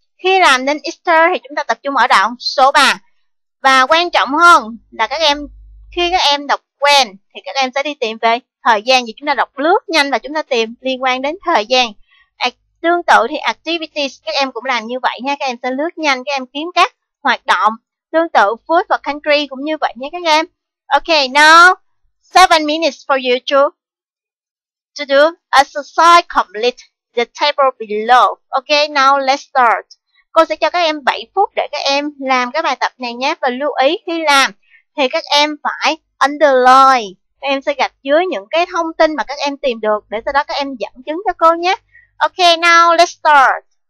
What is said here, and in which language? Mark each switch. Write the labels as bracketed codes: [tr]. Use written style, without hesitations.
[vi] Khi làm đến Easter thì chúng ta tập trung ở đoạn số 3. Và quan trọng hơn là các em, khi các em đọc quen thì các em sẽ đi tìm về thời gian. Vì chúng ta đọc lướt nhanh và chúng ta tìm liên quan đến thời gian. Tương tự thì activities các em cũng làm như vậy nha. Các em sẽ lướt nhanh, các em kiếm các hoạt động. Tương tự food và country cũng như vậy nha các em. [en] Ok, now 7 minutes for you to do exercise complete the table below. Ok, now let's start. [vi] Cô sẽ cho các em 7 phút để các em làm cái bài tập này nhé. Và lưu ý khi làm thì các em phải underline. Các em sẽ gạch dưới những cái thông tin mà các em tìm được để sau đó các em dẫn chứng cho cô nhé. Ok, now let's start.